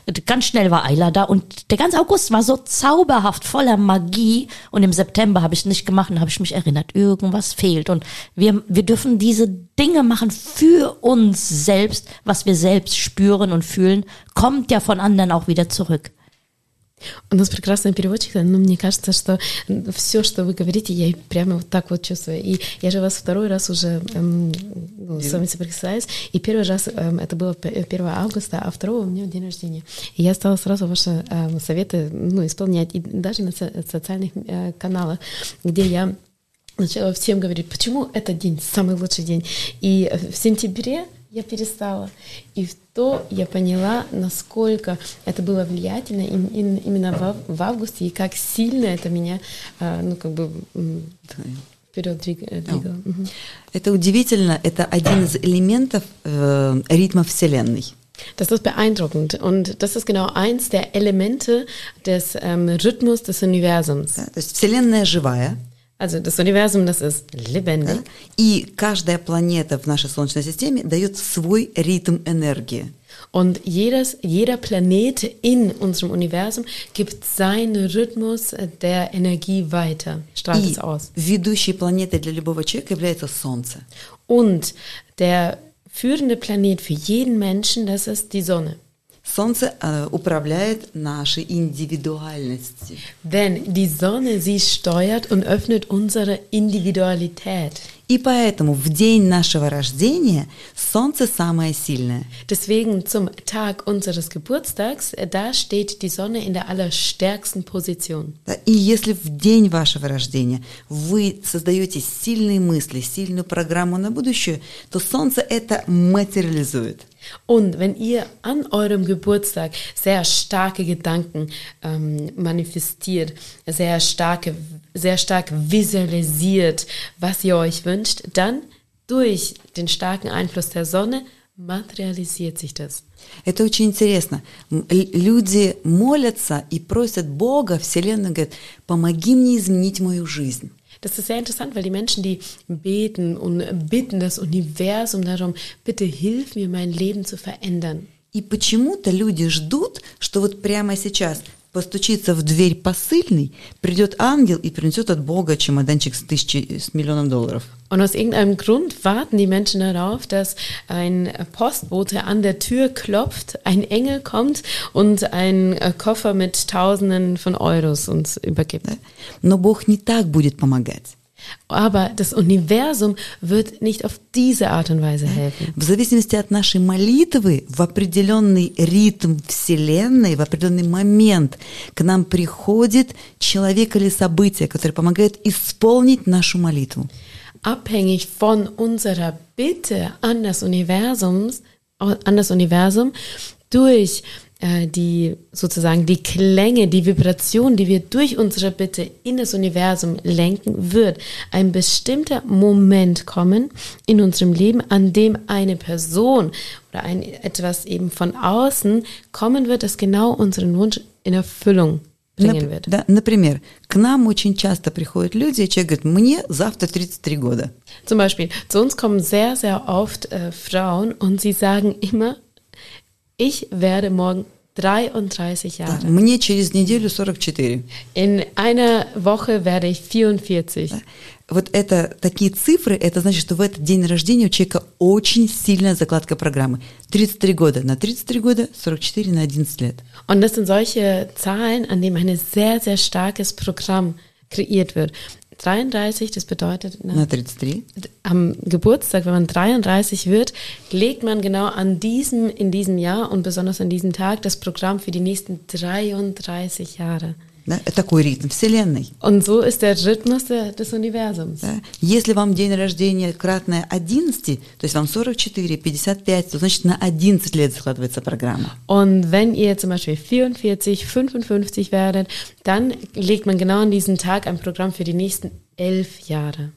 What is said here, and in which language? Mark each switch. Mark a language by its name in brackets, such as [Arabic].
[German] Ganz schnell war Ayla da und der ganze August war so zauberhaft, voller Magie. Und im September habe ich es nicht gemacht und habe ich mich erinnert, irgendwas fehlt. Und wir dürfen diese Dinge machen für uns selbst, was wir selbst spüren und fühlen, kommt ja von anderen auch wieder zurück. [Russian] У нас прекрасная переводчица, но мне кажется, что все, что вы говорите, я прямо вот так вот чувствую. И я же вас второй раз уже с вами соприкасаюсь. И первый раз это было 1 августа, а второго у меня день рождения. И я стала сразу ваши советы исполнять, и даже на социальных каналах, где я начала всем говорить, почему этот день самый лучший день. И в сентябре я перестала. И то я поняла, насколько это было влиятельно именно в августе, и как сильно это меня, вперед двигало. Это удивительно, это один из элементов ритма Вселенной. [German] Das ist beeindruckend. Und das ist genau eins der Elemente des Rhythmus des Universums. [Russian] То есть Вселенная живая. [German] Also das Universum, das ist lebendig. [Russian] Да? И каждая планета в нашей Солнечной системе дает свой ритм энергии. [German] Und jeder Planet in unserem Universum gibt seinen Rhythmus der Energie weiter, strahlt es aus. [Russian] И ведущей планетой для любого человека является Солнце. [German] Und der führende Planet für jeden Menschen, das ist die Sonne. [Russian] Солнце управляет нашей индивидуальностью. [German] Denn die Sonne, sie steuert und öffnet unsere Individualität. [Russian] И поэтому в день нашего рождения Солнце самое сильное. [German] Deswegen zum Tag unseres Geburtstags, da steht die Sonne in der allerstärksten Position. [Russian] Да, и если в день вашего рождения вы создаете сильные мысли, сильную программу на будущее, то Солнце это материализует. [German] Und wenn ihr an eurem Geburtstag sehr starke Gedanken manifestiert, sehr stark visualisiert, was ihr euch wünscht, dann durch den starken Einfluss der Sonne материализiert sich das. [Russian] Это очень интересно. Люди молятся и просят Бога, Вселенную, говорят, помоги мне изменить мою жизнь. [German] Das ist sehr interessant, weil die Menschen, die beten und bitten das Universum darum, bitte hilf mir, mein Leben zu verändern. [Russian] И почему-то люди ждут, что вот прямо сейчас постучится в дверь посыльный, придет ангел и принесет от Бога чемоданчик с миллионом долларов. [German] Und aus irgendeinem Grund warten die Menschen darauf, dass ein Postbote an der Tür klopft, ein Engel kommt und einen Koffer mit Tausenden von Euros uns übergibt. [Russian] Но Бог не так будет помогать. [German] Aber das Universum wird nicht auf diese Art und Weise helfen. [Russian] В зависимости от нашей молитвы, в определенный ритм Вселенной, в определенный момент к нам приходит человек или событие, которое помогает исполнить нашу молитву. [German] Abhängig von unserer Bitte an das Universum, durch die sozusagen die Klänge, die Vibration, die wir durch unsere Bitte in das Universum lenken, wird ein bestimmter Moment kommen in unserem Leben, an dem eine Person oder ein etwas eben von außen kommen wird, das genau unseren Wunsch in Erfüllung bringen wird. [Russian] Да, например, к нам очень часто приходят люди, и человек говорит, мне завтра 33 года. [German] Zum Beispiel, zu uns kommen sehr, sehr oft Frauen und sie sagen immer, ich werde morgen 33 Jahre. [Russian] Да, мне через неделю 44. [German] In einer Woche werde ich 44. [Russian] Да. Вот это такие цифры, это значит, что в этот день рождения у человека очень сильная закладка программы. 33 года на 33 года, 44 на 11 лет. [German] Und das sind solche Zahlen, an denen ein sehr, sehr starkes Programm kreiert wird. 33, das bedeutet, [Russian] na 33. [German] Am Geburtstag, wenn man 33 wird, legt man genau an diesem, in diesem Jahr und besonders an diesem Tag das Programm für die nächsten 33 Jahre. [Russian] Да, такой ритм Вселенной. [German] Und so ist der Rhythmus des Universums. [Russian] Да. Если вам день рождения кратное 11, то есть вам 44, 55, то значит на 11 лет складывается программа. [German] Und wenn ihr zum Beispiel 44, 55 werdet, dann legt man genau an diesen Tag ein Programm für die nächsten 11 Jahre.